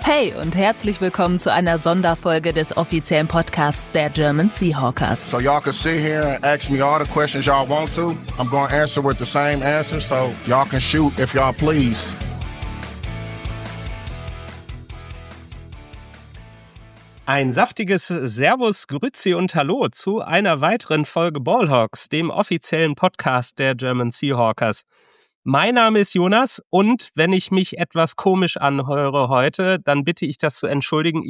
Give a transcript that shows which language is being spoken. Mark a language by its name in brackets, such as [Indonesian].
[German] Hey und herzlich willkommen zu einer Sonderfolge des offiziellen Podcasts der German Seahawkers. [English] So y'all can sit here and ask me all the questions y'all want to. I'm going to answer with the same answer, so y'all can shoot if y'all please. [German] Ein saftiges Servus, Grüezi und Hallo zu einer weiteren Folge Ballhawks, dem offiziellen Podcast der German Seahawkers. Mein Name ist Jonas und wenn ich mich etwas komisch anhöre heute, dann bitte ich das zu entschuldigen.